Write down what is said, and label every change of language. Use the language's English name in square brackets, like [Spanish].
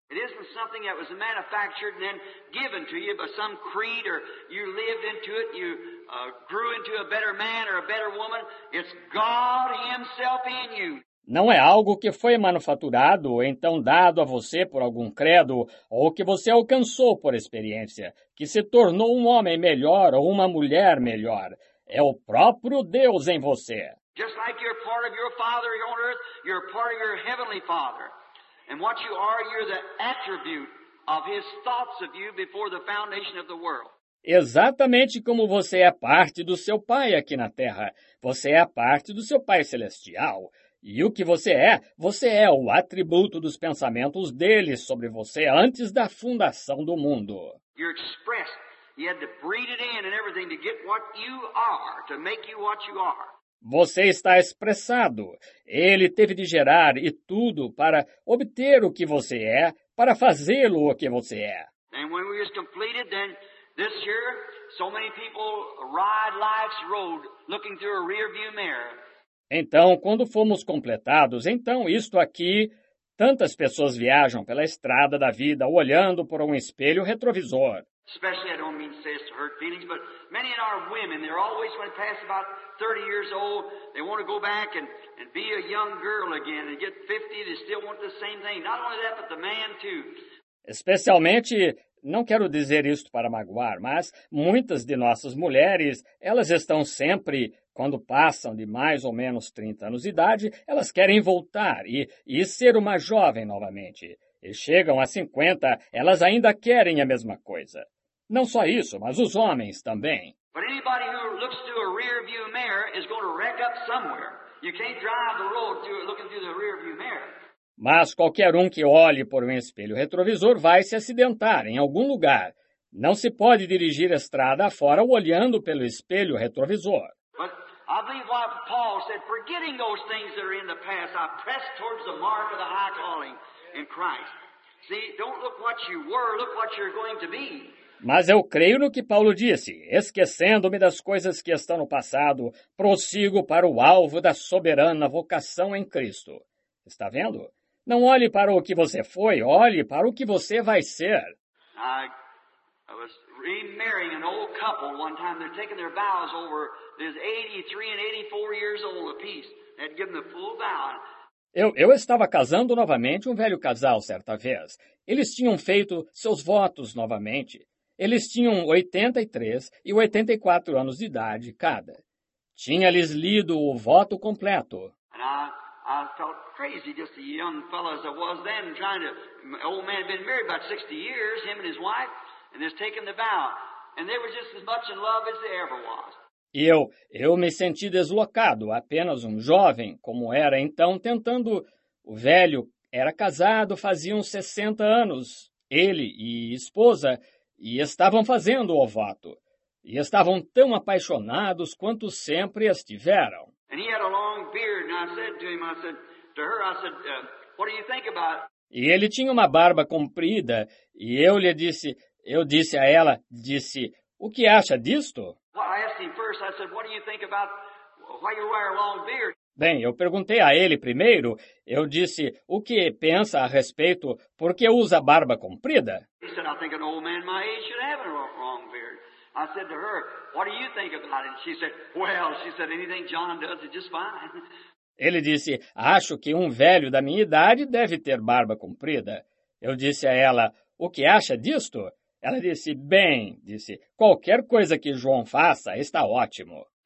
[English] It isn't something that was manufactured and then given to you by some creed, or you lived into it, you grew into a better man or a better woman. It's God himself in you. [Portuguese] Não é algo que foi manufaturado, então dado a você por algum credo, ou que você alcançou por experiência, que se tornou um homem melhor ou uma mulher melhor. É o próprio Deus em você. [English] Just like you're part of your Father on earth, you're part of your Heavenly Father. And what you are, you're the attribute of His thoughts of you before the foundation of the world. [Portuguese] Exatamente como você é parte do seu Pai aqui na Terra. Você é parte do seu Pai Celestial. E o que você é o atributo dos pensamentos dele sobre você antes da fundação do mundo. [English] You're expressed. He had to breathe it in and everything to get what you are, to make you what you are. [Portuguese] Você está expressado. Ele teve de gerar e tudo para obter o que você é, para fazê-lo o que você é. [English] And when we was completed, then this year, so many people ride life's road looking through a rearview mirror. [Portuguese] Então, quando fomos completados, então isto aqui, tantas pessoas viajam pela estrada da vida olhando por um espelho retrovisor. [English] Especially, I don't mean to say it's to hurt feelings, but many of our women, they're always when they pass about 30 years old, they want to go back and be a young girl again and get 50, they still want the same thing. Not only that, but the man too. [Portuguese] Especialmente, não quero dizer isto para magoar, mas muitas de nossas mulheres, elas estão sempre, quando passam de mais ou menos 30 anos de idade, elas querem voltar e ser uma jovem novamente. E chegam a 50, elas ainda querem a mesma coisa. Não só isso, mas os homens também. [English] But anybody who looks through a rear view mirror is going to wreck up somewhere. You can't drive the road looking through the rearview mirror. [Portuguese] Mas qualquer um que olhe por um espelho retrovisor vai se acidentar em algum lugar. Não se pode dirigir a estrada afora olhando pelo espelho retrovisor. [English] But I believe what Paul said, forgetting those things that are in the past, I press towards the mark of the high calling in Christ. See, don't look what you were, look what you're going to be. [Portuguese] Mas eu creio no que Paulo disse, esquecendo-me das coisas que estão no passado, prossigo para o alvo da soberana vocação em Cristo. Está vendo? Não olhe para o que você foi, olhe para o que você vai ser. [English] I was remarrying an old couple one time. They're taking their vows over this 83 and 84 years old apiece. They'd given the full vow. [Portuguese] Eu estava casando novamente um velho casal certa vez. Eles tinham feito seus votos novamente. Eles tinham 83 e 84 anos de idade cada. Tinha-lhes lido o voto completo. [English] I felt crazy, just the young fellow as I was then, trying to. My old man had been married about 60 years, him and his wife, and has taken the vow. And they were just as much in love as they ever was. [Portuguese] E eu me senti deslocado, apenas um jovem, como era então, tentando. O velho era casado, faziam 60 anos, ele e esposa, e estavam fazendo o voto. E estavam tão apaixonados quanto sempre estiveram. [English] And he had a long beard, and I said to her, what do you think about it? [Portuguese] E ele tinha uma barba comprida, e eu disse a ela, o que acha disto? [English] Well, I asked him first, I said, what do you think about why you wear a long beard? [Portuguese] Bem, eu perguntei a ele primeiro, eu disse, o que pensa a respeito, por que usa barba comprida? [English] He said, I think an old man my age should have a long beard. I said to her, what do you think about it? She said, anything John does is just fine. [Portuguese] Ele disse, acho que um velho da minha idade deve ter barba comprida. Eu disse a ela, o que acha disto? Ela disse, bem, disse, qualquer coisa que João faça está ótimo.